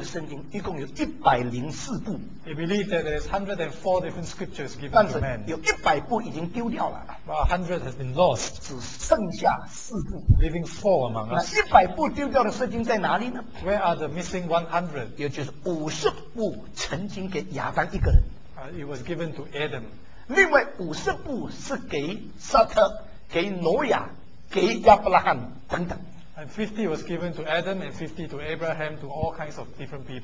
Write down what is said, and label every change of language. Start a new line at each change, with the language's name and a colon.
Chinese: 也就是呢，上帝呢所赐下给人类的圣经，一共有104部。
English: They believe that there is 104 different scriptures given to man.
Chinese: 有100部已经丢掉了。
English: 100 has been lost.
Chinese: 只剩下4部。
English: Leaving 4 among us.
Chinese: 那100部丢掉的圣经在哪里呢？
English: Where are the missing 100?
Chinese: 也就是50部曾经给亚当一个人。
English: It was given to Adam.
Chinese: 另外50部是给撒特。给挪亚，给亚伯拉罕等等。
English: And 50 was given to Adam and 50 to Abraham to all kinds of different people.